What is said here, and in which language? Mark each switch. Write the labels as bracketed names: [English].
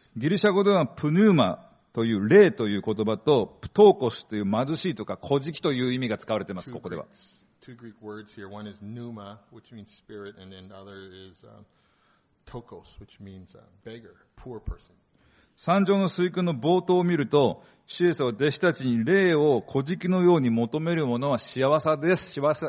[Japanese] ギリシャ語ではプヌーマという霊という言葉とプトーコスという貧しいとか乞食という意味が使われています、ここでは。 [English] Two Greek words here. One is pneuma, which means spirit, and then the other is tokos, which means beggar, poor person. [Japanese] 三条の水訓の冒頭を見ると、主イエスは弟子たちに霊を乞食のように求める者は幸せです。